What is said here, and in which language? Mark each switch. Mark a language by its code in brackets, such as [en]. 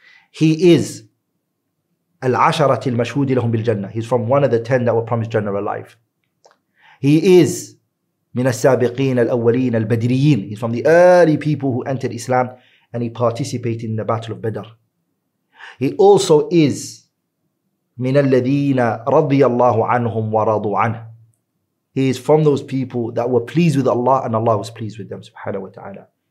[en] He is [ar] العشرة المشهود لهم بالجنة. [en] He's from one of the 10 that were promised general life. He is [ar] من السابقين الأولين البدريين. [en] He's from the early people who entered Islam and he participated in the Battle of Badr. He also is [ar] من الذين رضي الله عنهم ورضوا عنه. [en] He is from those people that were pleased with Allah and Allah was pleased with them, subhanahu wa ta'ala.